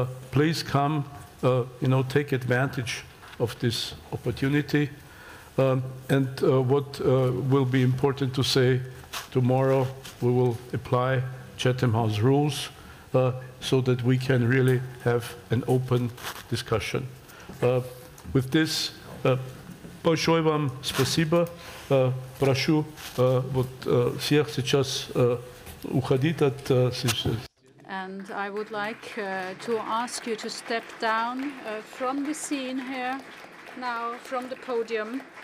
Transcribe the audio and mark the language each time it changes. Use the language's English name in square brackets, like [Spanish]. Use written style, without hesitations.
[English] Please come, take advantage of this opportunity. What will be important to say tomorrow, we will apply Chatham House rules so that we can really have an open discussion. With this, [Russian] большое вам спасибо. Прошу вот всех сейчас уходить от сессии. [English] And I would like to ask you to step down from the scene here now, from the podium.